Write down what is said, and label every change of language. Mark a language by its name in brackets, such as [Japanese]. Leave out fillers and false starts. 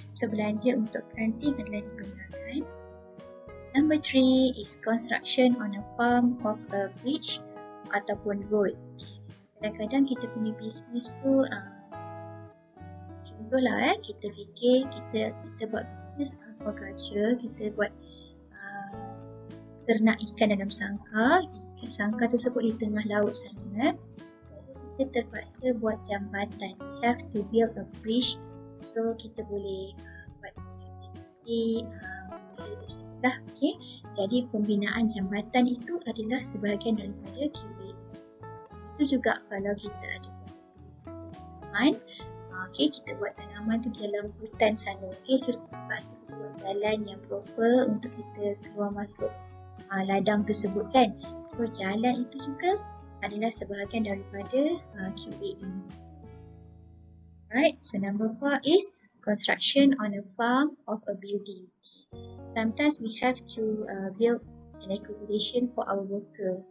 [Malay] So belanja untuk planting adalah digunakan. [English] Number 3 is construction on a farm of a bridge ataupun road. [Malay] Kadang-kadang kita punya bisnes tu contohlah kita fikir kita buat bisnes aquaculture, kita buat ternak ikan dalam sangkar, ikan sangkar tersebut di tengah laut sana, kita terpaksa buat jambatan, have to build a bridge so kita boleh buat aktiviti tersebutlah, okay? Jadi pembinaan jambatan itu adalah sebahagian daripada QAE. Itu juga kalau kita ada tanaman, okay, kita buat tanaman tu dalam hutan sana, okay? So kita terpaksa buat jalan yang proper untuk kita keluar masuk ladang tersebut, kan? So jalan itu juga adalah sebahagian daripada QAE. [English] Right, so number 4 is construction on a farm of a building. Sometimes we have to build an accommodation for our worker.